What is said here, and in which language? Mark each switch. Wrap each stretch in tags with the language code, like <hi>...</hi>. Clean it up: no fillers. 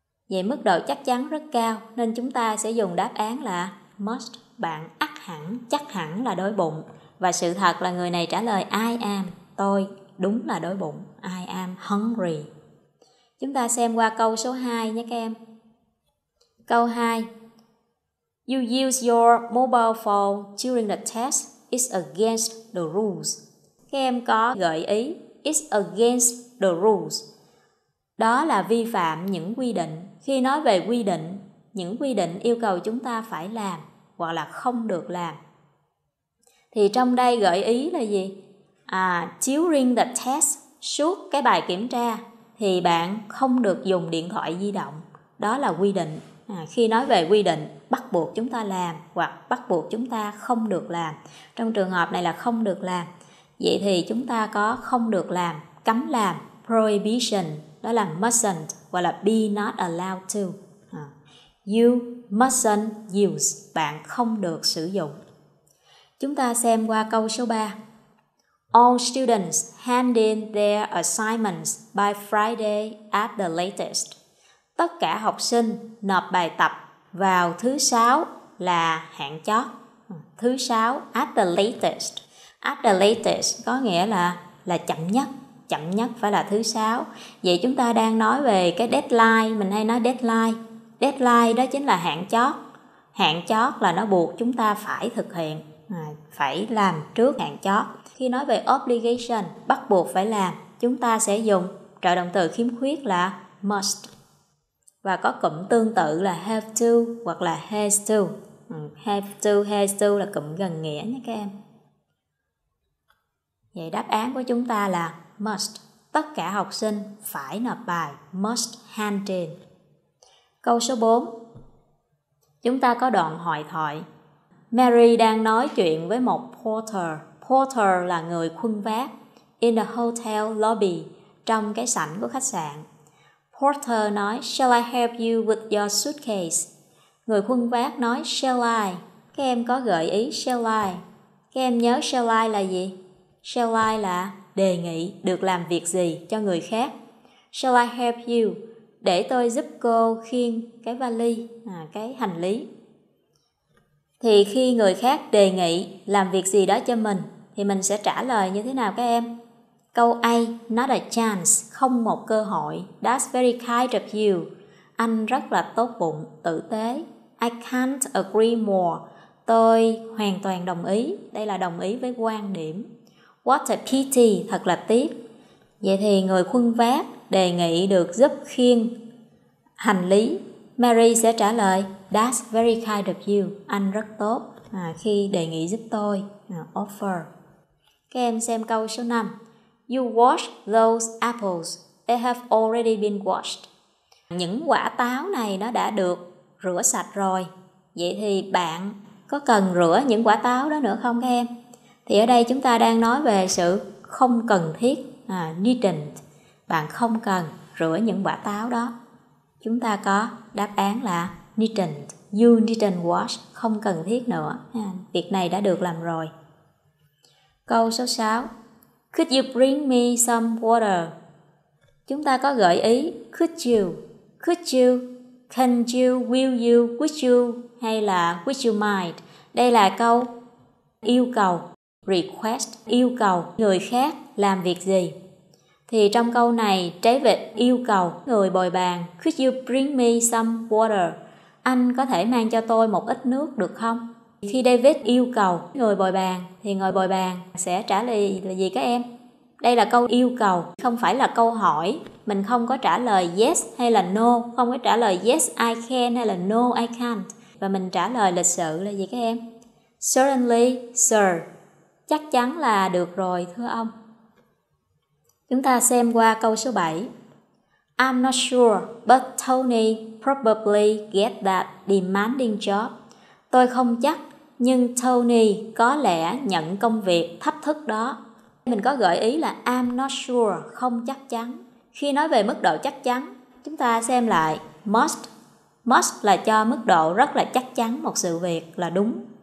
<vi>Vậy mức độ chắc chắn rất cao nên chúng ta sẽ dùng đáp án là must. Bạn ắt hẳn, chắc hẳn là đói bụng. Và sự thật là người này trả lời</vi> <en>I am,</en> <vi>tôi đúng là đói bụng.</vi> <en>I am hungry.</en> <vi>Chúng ta xem qua câu số 2 nhé các em. Câu 2.</vi> <en>You use your mobile phone during the test. It's against the rules.</en> <vi>Các em có gợi ý</vi> <en>it's against the rules.</en> <vi>Đó là vi phạm những quy định. Khi nói về quy định, những quy định yêu cầu chúng ta phải làm hoặc là không được làm. Thì trong đây gợi ý là gì?</vi> <en>During the test,</en> <vi>suốt cái bài kiểm tra, thì bạn không được dùng điện thoại di động. Đó là quy định. Khi nói về quy định, bắt buộc chúng ta làm hoặc bắt buộc chúng ta không được làm. Trong trường hợp này là không được làm. Vậy thì chúng ta có không được làm, cấm làm, prohibition. Đó là mustn't hoặc là</vi> <en>be not allowed to. You mustn't use.</en> <vi>Bạn không được sử dụng. Chúng ta xem qua câu số 3.</vi> <en>All students hand in their assignments by Friday at the latest.</en> <vi>Tất cả học sinh nộp bài tập vào thứ 6 là hạn chót. Thứ 6</vi> <en>at the latest. At the latest</en> <vi>có nghĩa là chậm nhất. Chậm nhất phải là thứ 6. Vậy chúng ta đang nói về cái deadline, mình hay nói deadline. Deadline đó chính là hạn chót. Hạn chót là nó buộc chúng ta phải thực hiện, phải làm trước hạn chót. Khi nói về obligation, bắt buộc phải làm, chúng ta sẽ dùng trợ động từ khiếm khuyết là must. Và có cụm tương tự là have to hoặc là has to. Have to, has to là cụm gần nghĩa nha các em. Vậy đáp án của chúng ta là must, tất cả học sinh phải nộp bài,</vi> <en>must hand in.</en> <vi>Câu số 4. Chúng ta có đoạn hội thoại. Mary đang nói chuyện với một porter. Porter là người khuân vác.</vi> <en>In the hotel lobby,</en> <vi>trong cái sảnh của khách sạn.</vi> <en>Porter nói, shall I help you with your suitcase?</en> <vi>Người khuân vác nói, shall I? Các em có gợi ý shall I? Các em nhớ shall I là gì? Shall I là đề nghị được làm việc gì cho người khác.</vi> <en>Shall I help you?</en> <vi>để tôi giúp cô khiêng cái vali, cái hành lý. Thì khi người khác đề nghị làm việc gì đó cho mình, thì mình sẽ trả lời như thế nào các em? Câu A,</vi> <en>not a chance,</en> <vi>không một cơ hội.</vi> <en>That's very kind of you.</en> <vi>Anh rất là tốt bụng, tử tế.</vi> <en>I can't agree more.</en> <vi>Tôi hoàn toàn đồng ý. Đây là đồng ý với quan điểm.</vi> <en>What a pity,</en> <vi>thật là tiếc. Vậy thì người khuân vác đề nghị được giúp khiêng hành lý. Mary sẽ trả lời,</vi> <en>that's very kind of you.</en> <vi>Anh rất tốt khi đề nghị giúp tôi. Offer. Các em xem câu số 5.</vi> <en>You wash those apples. They have already been washed.</en> <vi>Những quả táo này nó đã được rửa sạch rồi. Vậy thì bạn có cần rửa những quả táo đó nữa không các em? Thì ở đây chúng ta đang nói về sự không cần thiết. Needn't. Bạn không cần rửa những quả táo đó. Chúng ta có đáp án là needn't.</vi> <en>You needn't wash.</en> <vi>Không cần thiết nữa. Việc này đã được làm rồi. Câu số 6.</vi> <en>Could you bring me some water?</en> <vi>Chúng ta có gợi ý</vi> <en>could you. Could you, can you, will you, would you hay là would you mind.</en> <vi>Đây là câu yêu cầu, request, yêu cầu người khác làm việc gì. Thì trong câu này trái vịt yêu cầu người bồi bàn,</vi> <en>could you bring me some water?</en> <vi>Anh có thể mang cho tôi một ít nước được không? Khi David yêu cầu người bồi bàn thì người bồi bàn sẽ trả lời là gì các em? Đây là câu yêu cầu, không phải là câu hỏi. Mình không có trả lời yes hay là no, không có trả lời</vi> <en>yes I can</en> <vi>hay là</vi> <en>no I can't.</en> <vi>Và mình trả lời lịch sự là gì các em?</vi> <en>Certainly, sir.</en> <vi>Chắc chắn là được rồi, thưa ông. Chúng ta xem qua câu số 7.</vi> <en>I'm not sure, but Tony probably get that demanding job.</en> <vi>Tôi không chắc, nhưng Tony có lẽ nhận công việc thách thức đó. Mình có gợi ý là I'm not sure, không chắc chắn. Khi nói về mức độ chắc chắn, chúng ta xem lại must. Must là cho mức độ rất là chắc chắn một sự việc là đúng.</vi>